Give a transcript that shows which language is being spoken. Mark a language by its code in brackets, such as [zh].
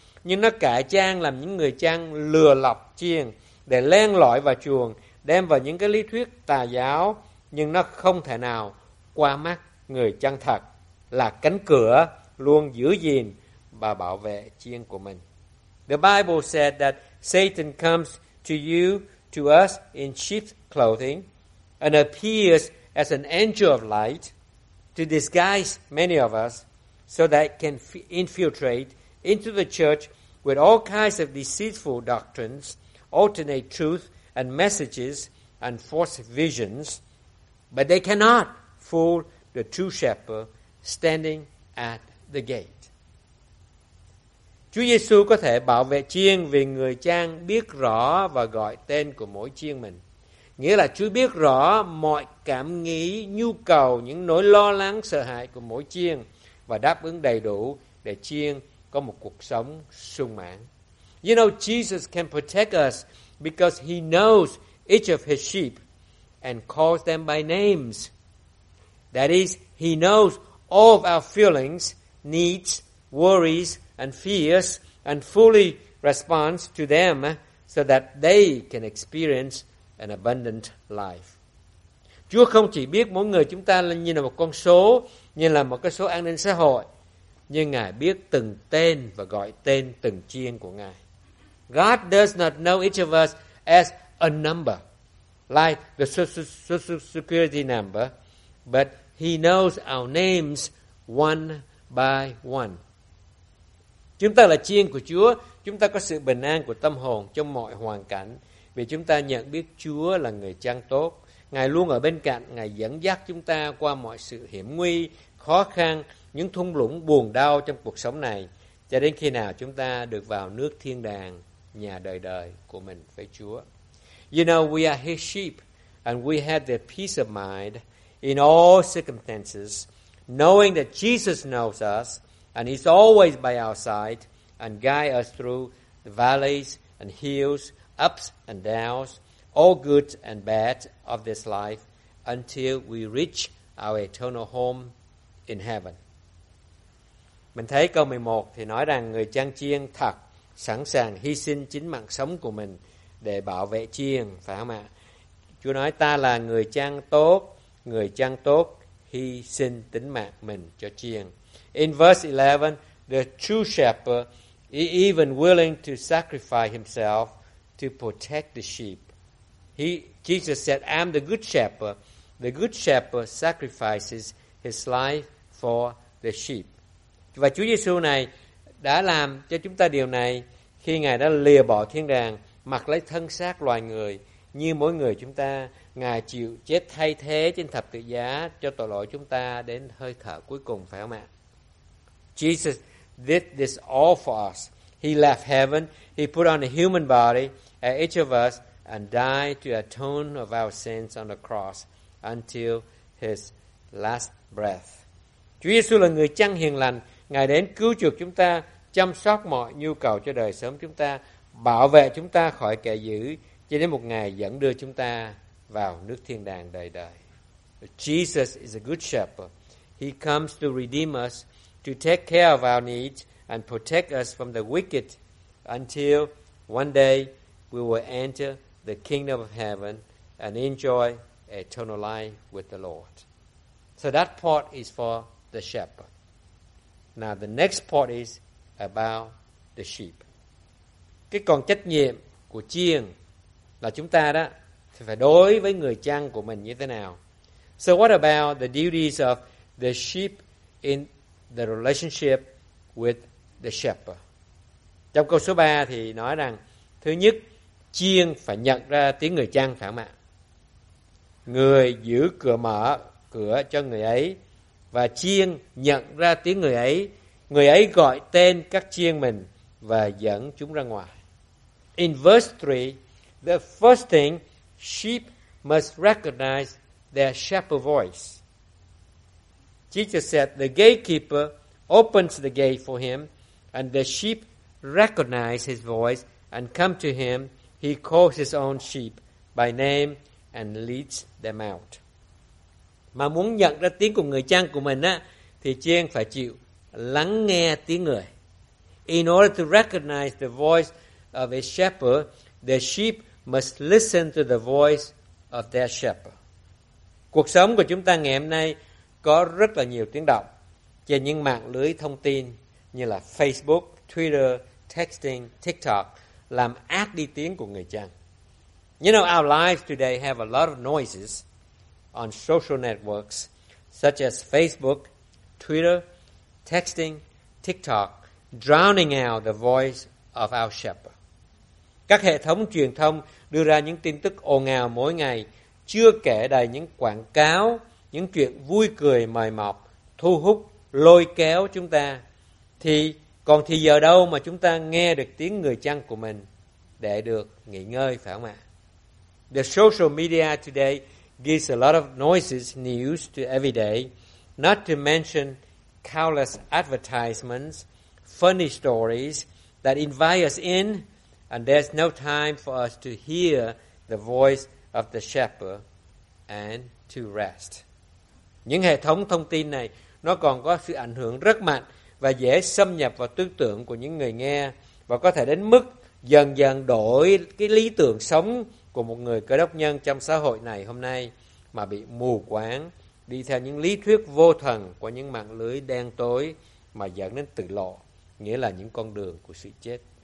[vi] Nhưng nó cải trang làm những người trang lừa lọc chiên để len lỏi vào chuồng, đem vào những cái lý thuyết tà giáo, nhưng nó không thể nào qua mắt người chăn thật là cánh cửa luôn giữ gìn và bảo vệ chiên của mình. [en] The Bible said that Satan comes to you, to us in sheep's clothing, and appears as an angel of light to disguise many of us so that it can infiltrate into the church with all kinds of deceitful doctrines, alternate truth and messages and false visions, but they cannot fool the true shepherd standing at the gate. [vi] Chúa Giêsu có thể bảo vệ chiên vì người trang biết rõ và gọi tên của mỗi chiên mình. Nghĩa là Chúa biết rõ mọi cảm nghĩ, nhu cầu, những nỗi lo lắng, sợ hãi của mỗi chiên và đáp ứng đầy đủ để chiên có một cuộc sống sung mãn. [en] You know, Jesus can protect us because he knows each of his sheep and calls them by names. That is, he knows all of our feelings, needs, worries, and fears, and fully responds to them so that they can experience an abundant life. [vi] Chúa không chỉ biết mỗi người chúng ta là như là một con số, như là một cái số an ninh xã hội, nhưng Ngài biết từng tên và gọi tên từng chiên của Ngài. [en] God does not know each of us as a number, like the social security number, but he knows our names one by one. [vi] Chúng ta là chiên của Chúa, chúng ta có sự bình an của tâm hồn trong mọi hoàn cảnh, vì chúng ta nhận biết Chúa là người chăn tốt. Ngài luôn ở bên cạnh, Ngài dẫn dắt chúng ta qua mọi sự hiểm nguy, khó khăn, những thung lũng buồn đau trong cuộc sống này, cho đến khi nào chúng ta được vào nước thiên đàng, nhà đời đời của mình với Chúa. [en] You know, we are his sheep, and we have the peace of mind in all circumstances, knowing that Jesus knows us, and he's always by our side, and guide us through the valleys and hills, ups and downs, all good and bad of this life, until we reach our eternal home in heaven. [vi] Mình thấy câu 11 thì nói rằng người chăn chiên thật sẵn sàng hy sinh chính mạng sống của mình để bảo vệ chiên, phải không ạ? Chúa nói ta là người chăn tốt hy sinh tính mạng mình cho chiên. [en] In verse 11, the true shepherd is even willing to sacrifice himself to protect the sheep. Jesus said, I'm the good shepherd. The good shepherd sacrifices his life for the sheep. [vi] Và Chúa Giêsu này đã làm cho chúng ta điều này khi Ngài đã lìa bỏ thiên đàng, mặc lấy thân xác loài người như mỗi người chúng ta. Ngài chịu chết thay thế trên thập tự giá cho tội lỗi chúng ta đến hơi thở cuối cùng, phải không ạ? [en] Jesus did this all for us. He left heaven, he put on a human body at each of us and died to atone of our sins on the cross until his last breath. [vi] Chúa Giêsu là người chăn hiền lành, Ngài đến cứu chuộc chúng ta, chăm sóc mọi nhu cầu cho đời sống chúng ta, bảo vệ chúng ta khỏi kẻ dữ, cho đến một ngày dẫn đưa chúng ta vào nước thiên đàng đời đời. [en] Jesus is a good shepherd. He comes to redeem us, to take care of our needs and protect us from the wicked until one day we will enter the kingdom of heaven and enjoy eternal life with the Lord. So that part is for the shepherd. Now the next part is about the sheep. [vi] Cái còn trách nhiệm của chiên là chúng ta đó thì phải đối với người chăn của mình như thế nào. [en] So what about the duties of the sheep in the relationship with the shepherd? [vi] Trong câu số 3 thì nói rằng thứ nhất, chiên phải nhận ra tiếng người chăn phải không ạ? Người giữ cửa mở cửa cho người ấy và chiên nhận ra tiếng người ấy. Người ấy gọi tên các chiên mình và dẫn chúng ra ngoài. [en] In verse 3, the first thing, sheep must recognize their shepherd voice. Jesus said, the gatekeeper opens the gate for him and the sheep recognize his voice and come to him. He calls his own sheep by name and leads them out. [vi] Mà muốn nhận ra tiếng của người chăn của mình á, thì chiên phải chịu lắng nghe tiếng người. [en] In order to recognize the voice of a shepherd, the sheep must listen to the voice of their shepherd. [vi] Cuộc sống của chúng ta ngày hôm nay có rất là nhiều tiếng động trên những mạng lưới thông tin như là Facebook, Twitter, texting, TikTok, làm át đi tiếng của người chăn. [en] You know, our lives today have a lot of noises on social networks such as Facebook, Twitter, texting, TikTok, drowning out the voice of our shepherd. [vi] Các hệ thống truyền thông đưa ra những tin tức ồn ào mỗi ngày, chưa kể đầy những quảng cáo, những chuyện vui cười mời mọc, thu hút, lôi kéo chúng ta. Thì còn thì giờ đâu mà chúng ta nghe được tiếng người chăn của mình để được nghỉ ngơi, phải không ạ? [en] The social media today gives a lot of noises, news to every day, not to mention countless advertisements, funny stories that invite us in, and there's no time for us to hear the voice of the shepherd and to rest. [vi] Những hệ thống thông tin này nó còn có sự ảnh hưởng rất mạnh và dễ xâm nhập vào tư tưởng của những người nghe, và có thể đến mức dần dần đổi cái lý tưởng sống của một người cơ đốc nhân trong xã hội này hôm nay mà bị mù quáng, đi theo những lý thuyết vô thần của những mạng lưới đen tối mà dẫn đến tự lộ, nghĩa là những con đường của sự chết.